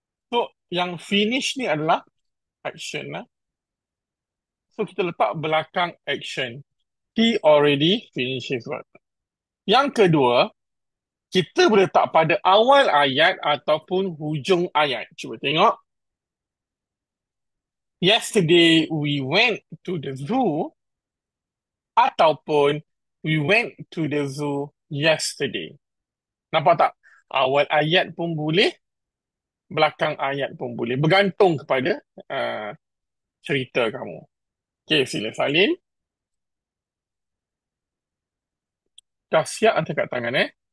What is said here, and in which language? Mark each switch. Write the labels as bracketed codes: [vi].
[ms] So, yang finish ni adalah action lah. So kita letak belakang action. [en] He already finishes work. [ms] Yang kedua, kita boleh letak pada awal ayat ataupun hujung ayat. Cuba tengok. [en] Yesterday we went to the zoo [ms] ataupun [en] we went to the zoo yesterday. [ms] Nampak tak? Awal ayat pun boleh. Belakang ayat pun boleh. Bergantung kepada cerita kamu. Okay, sila salin. Dah siap atau kat tangan eh?